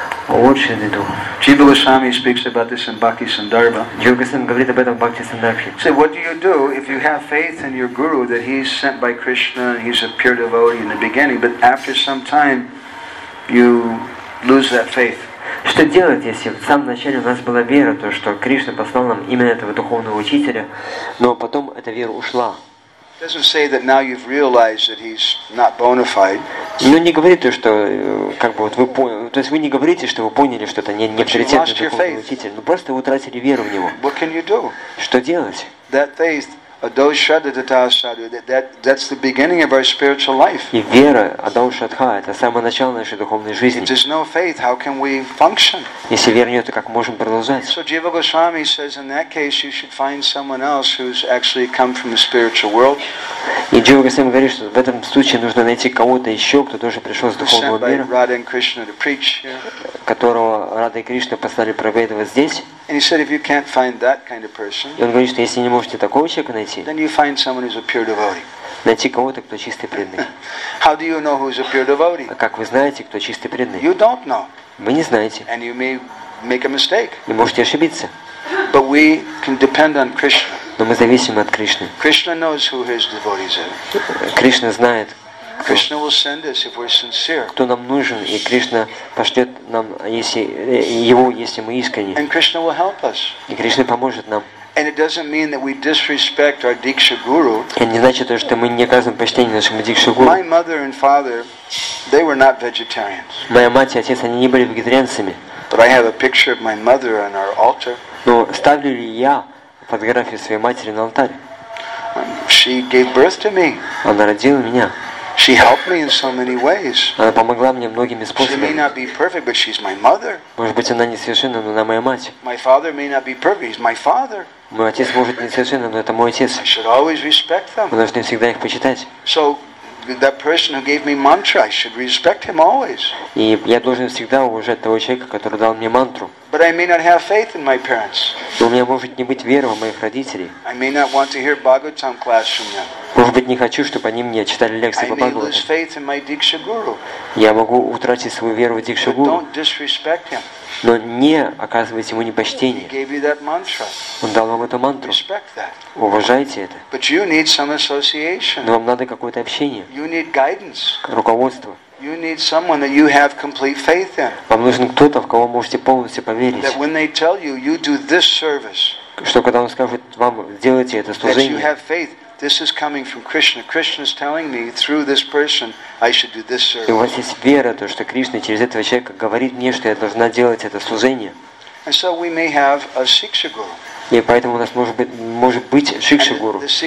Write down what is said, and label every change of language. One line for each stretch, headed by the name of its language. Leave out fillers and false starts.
English: What should they do? Jiva Goswami speaks about this in Bhakti Sandarbha.
Russian: Jiva Goswami говорит об этом в Бхакти Сандарбхе.
English: So what do you do if you have faith in your guru that he's sent by Krishna and he's a pure devotee in the beginning, but after some time you lose that faith?
Russian: Что делать, если в самом начале у нас была вера, то что Кришна послал нам именно этого духовного учителя, но потом эта вера ушла?
English: It doesn't say that now you've realized that he's not bona fide.
Russian: Но не говорит то, что как бы вот вы поняли, то есть вы не говорите, что вы поняли, что это не авторитетный духовный учитель, но просто вы утратили веру в него.
English: What can you do?
Russian: Что делать?
English: That faith, that's the beginning of our spiritual life.
Russian: И вера, адошадха, это самое начало нашей духовной жизни.
English: If there's no faith, how can we function?
Russian: Если веры нет, то как можем продолжать?
English: So Jiva Goswami says, in that case, you should find someone else who's actually come from the spiritual world.
Russian: И Jiva Goswami говорит, что в этом случае нужно найти кого-то еще, кто тоже пришел с духовного мира.
English: Sent by Radha and Krishna to preach.
Russian: Которого Радха и Кришна послали проповедовать здесь.
English: And he said, if you can't find that kind of person,
Russian: и он говорит, что если не можете такого человека найти,
English: then you find someone who's a pure devotee.
Russian: Найти кого-то, кто чистый преданный.
English: How do you know who's a pure devotee?
Russian: Как вы знаете, кто чистый преданный?
English: You don't know.
Russian: Вы не знаете.
English: And you may make a mistake.
Russian: И можете ошибиться.
English: But we can depend on Krishna.
Russian: Но мы зависим от Кришны.
English: Krishna knows who his devotees are.
Russian: Кришна знает.
English: Krishna will send us if we're sincere.
Russian: Кто нам нужен, и Кришна пошлет нам, если его, если мы искренни.
English: And Krishna will help us.
Russian: И Кришна поможет нам.
English: And it doesn't mean that we disrespect our Diksha Guru.
Russian: И не значит то, что мы не оказываем почтение нашему Дикша Гуру.
English: My mother and father, they were not vegetarians.
Russian: Моя мать и отец, они не были вегетарианцами.
English: But I have a picture of my mother on our altar.
Russian: Но ставлю ли я фотографию своей матери на алтаре?
English: She gave birth to me.
Russian: Она родила меня.
English: She helped me in so many ways.
Russian: Она помогла мне многими способами.
English: She may not be perfect, but she's my mother.
Russian: Может быть, она не совершенна, но она моя мать.
English: My father may not be perfect, he's my father.
Russian: Мой отец может не совершенно, но это мой отец.
English: I should always respect them.
Russian: Мы должны всегда их почитать.
English: So that person who gave me mantra, I should respect him always.
Russian: И я должен всегда уважать того человека, который дал мне мантру.
English: But I may not have faith in my parents.
Russian: Но у меня может не быть веры в моих родителей.
English: I may not want to hear Bhagavatam class from them.
Russian: Может быть, не хочу, чтобы они мне читали лекции по Бхагаватам. Я могу утратить свою веру в Дикша Гуру. Но не оказывайте ему непочтения. Он дал вам эту мантру. Уважайте это. Но вам надо какое-то общение. Руководство.
English: You need someone that you have complete faith in.
Russian: Вам нужен кто-то, в кого можете полностью поверить.
English: That when they tell you, you do this service.
Russian: Что когда он скажет вам, сделайте это служение.
English: That you have faith. This is coming from Krishna. Krishna is telling me through this person, I should do this service.
Russian: И у вас есть вера, то что Кришна через этого человека говорит мне, что я должна делать это служение.
English: And so we may have a Siksha Guru.
Russian: И поэтому у нас может быть Шикша Гуру.